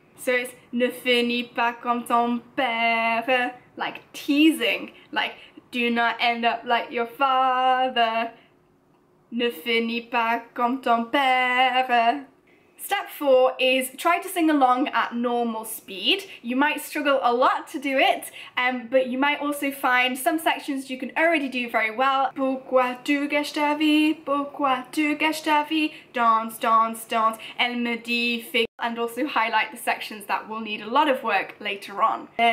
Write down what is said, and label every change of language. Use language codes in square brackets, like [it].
[en] So it's [fr] ne finis pas comme ton père, [en] like teasing, like do not end up like your father. [fr] Ne finis pas comme ton père. [en] Step four is try to sing along at normal speed. You might struggle a lot to do it, but you might also find some sections you can already do very well. [fr] Pourquoi tu gâches ta vie, [en] dance, dance, dance, [fr] elle me dit fig. [en] And also highlight the sections that will need a lot of work later on.